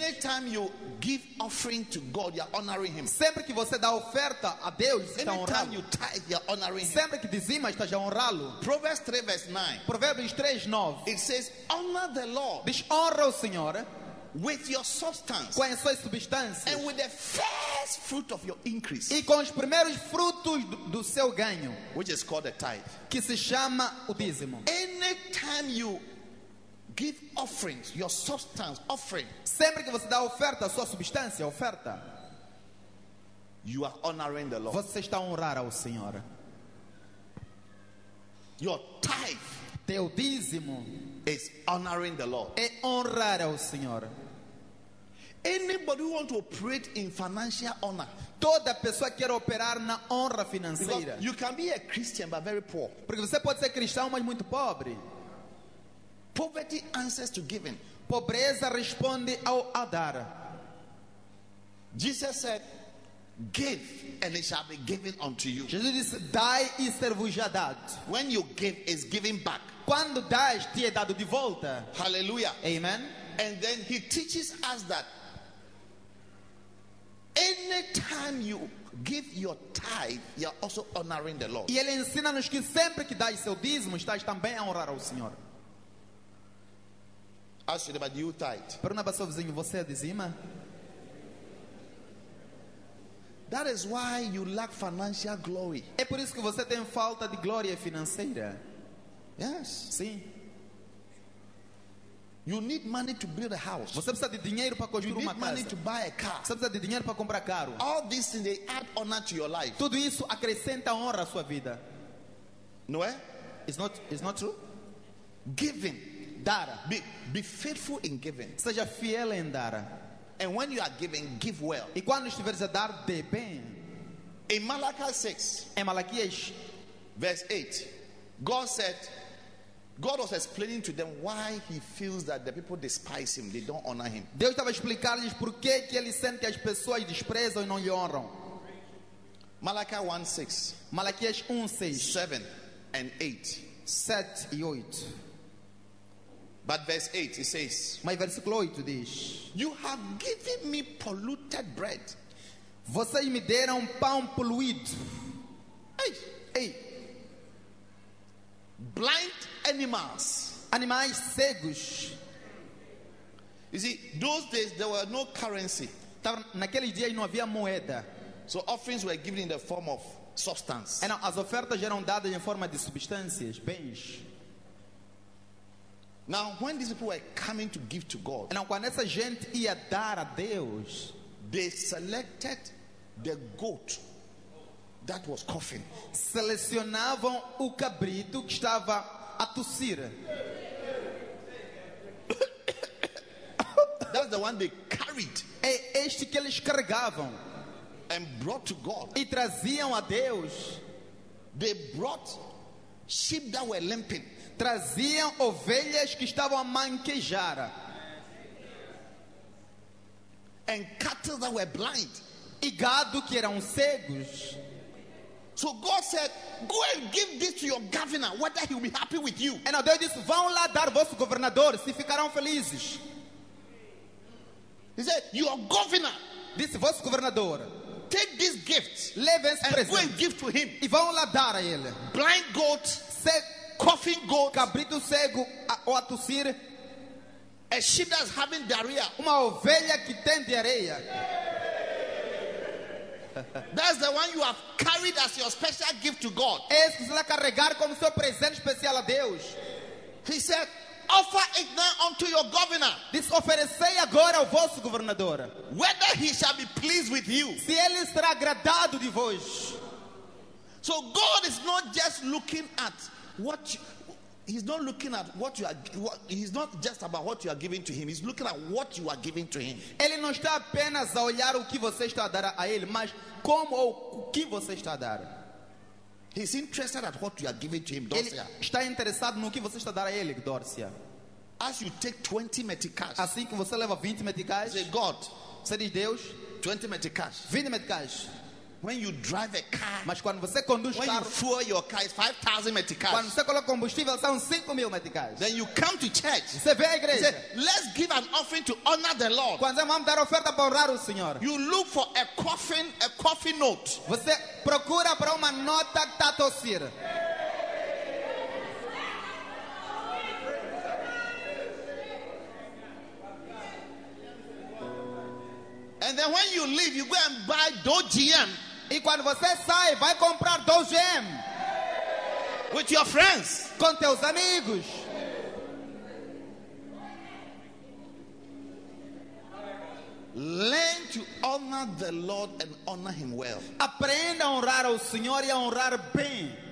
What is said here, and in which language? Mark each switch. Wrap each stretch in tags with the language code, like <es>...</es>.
<en>Anytime you give offering to God, you are honoring Him.</en> <pt>Sempre que você dá oferta a Deus, está honrando.</pt> <en>Anytime you tithe, you are honoring Him.</en> <pt>Sempre que dizima, está já honrá-lo.</pt> <en>Proverbs 3 verse 9.</en> <pt>Provérbios 3, 9.</pt> <en>It says, honor the Lord.</en> <pt>Diz, honra o Senhor.</pt> <en>With your substance,</en> <pt>com as suas substâncias,</pt> <en>and with the first fruit of your increase,</en> <pt>e com os primeiros frutos do seu ganho,</pt> <en>which is called a tithe,</en> <pt>que se chama o dízimo.</pt> <en>Anytime you give offerings, your substance offering,</en> <pt>sempre que você dá oferta, sua substância, oferta,</pt> <en>you are honoring the Lord.</en> <pt>Você está honrando ao Senhor.</pt> <en>Your tithe.</en> <pt>Teu dízimo</pt> <en>is honoring the Lord.</en> <pt>É honrar ao Senhor.</pt> <en>Anybody who wants to operate in financial honor.</en> <pt>Toda pessoa quer operar na honra financeira.</pt> <en>Because you can be a Christian but very poor.</en> <pt>Porque você pode ser cristão mas muito pobre.</pt> <en>Poverty answers to giving.</en> <pt>Pobreza responde ao a dar.</pt> <en>Jesus said, give and it shall be given unto you.</en> <pt>Jesus disse, dai e ser-vos-á dado.</pt> <en>When you give, it's giving back.</en> <pt>Quando dás, te é dado de volta.</pt> <en>Hallelujah.</en> <pt>Amen.</pt> <en>And then he teaches us that anytime you give your tithe, you are also honoring the Lord.</en> <pt>E ele ensina-nos que sempre que dás seu dízimo, estás também a honrar ao Senhor.</pt> <en>Ask you about your tithe.</en> <pt>Pergunta para o seu vizinho, você é dizima?</pt> <en>That is why you lack financial glory.</en> <pt>É por isso que você tem falta de glória financeira.</pt> <en>Yes.</en> <pt>Sim.</pt> <en>You need money to build a house.</en> <pt>Você precisa de dinheiro para construir uma casa.</pt> <en>You need money to buy a car.</en> <pt>Você precisa de dinheiro para comprar carro.</pt> <en>All these things, they add honor to your life.</en> <pt>Tudo isso acrescenta honra à sua vida. Não é?</pt> <en>It's not true. Giving,</en> <pt>dar.</pt> <en>Be faithful in giving.</en> <pt>Seja fiel em dar.</pt> <en>And when you are giving, give well.</en> <pt>E quando estiveres a dar, dê bem.</pt> <en>In Malachi 6,</en> <pt>em Malaquias,</pt> <en>verse 8, God was explaining to them why he feels that the people despise him, they don't honor him.</en> <pt>Deus estava a explicar-lhes por que ele sente que as pessoas desprezam e não lhe honram.</pt> <en>Malachi 1, 6,</en> <pt>Malaquias 1, 6,</pt> <en>7 and 8.</en> <pt>7 e 8.</pt> <en>But verse 8, it says,</en> <pt>my versículo 8 diz,</pt> <en>you have given me polluted bread.</en> <pt>Vocês me deram pão poluído. Ei, ei.</pt> <en>Blind animals.</en> <pt>Animais cegos.</pt> <en>You see, those days there were no currency.</en> <pt>Naqueles dias não havia moeda.</pt> <en>So offerings were given in the form of substance.</en> <pt>E as ofertas eram dadas em forma de substâncias, bens.</pt> <en>Now, when these people were coming to give to God,</en> <pt>e não, quando essa gente ia dar a Deus,</pt> <en>they selected the goat that was coughing.</en> <pt>Selecionavam o cabrito que estava a tossir.</pt> <en>That's the one they carried.</en> <pt>É este que eles carregavam.</pt> <en>And brought to God.</en> <pt>E traziam a Deus.</pt> <en>They brought sheep that were limping.</en> <pt>Traziam ovelhas que estavam a manquejar.</pt> <en>And cattle that were blind.</en> <pt>E gado que eram cegos.</pt> <en>So God said, go and give this to your governor, whether he will be happy with you.</en> <pt>E</pt> <en>now</en> <pt>Deus disse, vão lá dar vosso governador, se ficarão felizes.</pt> <en>He said, your governor.</en> <pt>Disse, vosso governador.</pt> <en>Take this gift.</en> <pt>Leve esse presente.</pt> <en>And go and give to him.</en> <pt>E vão lá dar a ele.</pt> <en>Blind goat. Coughing goat.</en> <pt>Cabrito cego ou a tossir.</pt> <en>A sheep that's having diarrhea.</en> <pt>Uma ovelha que tem diarreia.</pt> <en>That's the one you have carried as your special gift to God.</en> <pt>Esse que você carregar como seu presente especial a Deus.</pt> <en>He said, offer it now unto your governor.</en> <pt>Diz, oferecei agora ao vosso governador.</pt> <en>Whether he shall be pleased with you.</en> <pt>Se ele estará agradado de vós.</pt> <en>So God is not just looking at what he's not looking at what you are. He's not just about what you are giving to him. He's looking at what you are giving to him.</en> <pt>Ele não está apenas a olhar o que você está a dar a ele, mas como ou o que você está a dar.</pt> <en>He's interested at what you are giving to him, Dorcia.</en> <pt>Ele está interessado no que você está a dar a ele, Dorcia.</pt> <en>As you take 20 meticais.</en> <pt>Assim que você leva 20 meticais.</pt> <en>Say God.</en> <pt>Você diz Deus.</pt> <en>20 meticais.</en> <pt>20 meticais.</pt> <en>When you drive a car,</en> <pt>mas quando você conduz</pt> <en>when</en> <pt>carro,</pt> <en>you fuel your car, it's 5,000 meticais.</en> <pt>Quando você coloca combustível, são 5,000 meticais.</pt> <en>Then you come to church.</en> <pt>Você vem à igreja.</pt> <en>Say, let's give an offering to honor the Lord.</en> <pt>Quando você vai dar oferta para honrar o Senhor.</pt> <en>You look for a coffin note.</en> <pt>Você procura para uma nota que está a tossir.</pt> <en>And then when you leave, you go and buy Doge GM.</en> <pt>E quando você sai, vai comprar Doge GM.</pt> <en>With your friends.</en> <pt>Com teus amigos.</pt> <en>Learn to honor the Lord and honor him well.</en> <pt>Aprenda a honrar ao Senhor e a honrar bem.</pt>